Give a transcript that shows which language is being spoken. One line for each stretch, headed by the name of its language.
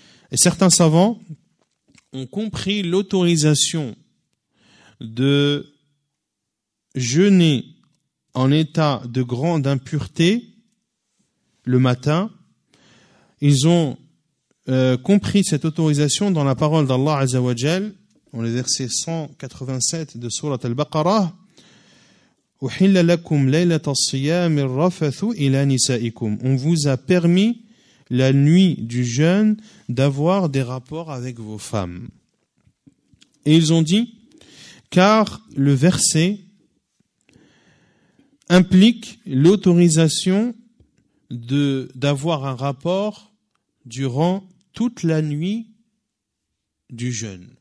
French: Et certains savants ont compris l'autorisation de jeûner en état de grande impureté le matin. Ils ont compris cette autorisation dans la parole d'Allah Azza wa Jal, dans le verset 187 de Sourate Al-Baqarah.
Arabic: أحل لكم ليلة الصيام الرفث إلى نسائكم.
French: On vous a permis la nuit du jeûne d'avoir des rapports avec vos femmes. Et ils ont dit, car le verset implique l'autorisation d'avoir un rapport durant toute la nuit du jeûne.